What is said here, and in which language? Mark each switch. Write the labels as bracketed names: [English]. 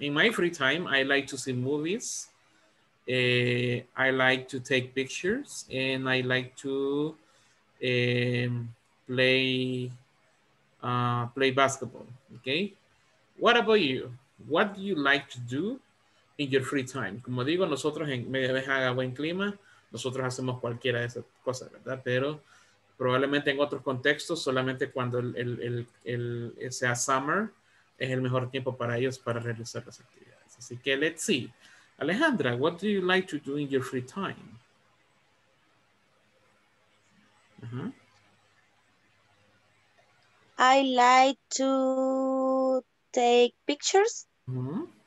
[English] In my free time, I like to see movies, I like to take pictures, and I like to play basketball, okay? What about you? What do you like to do in your free time? [Spanish] Como digo, nosotros en media vez haga buen clima, nosotros hacemos cualquiera de esas cosas, ¿verdad? Pero probablemente en otros contextos, solamente cuando sea summer, es el mejor tiempo para ellos para realizar las actividades. Así que [English] let's see. Alejandra, what do you like to do in your free time? Uh-huh. I like to take pictures. Uh-huh.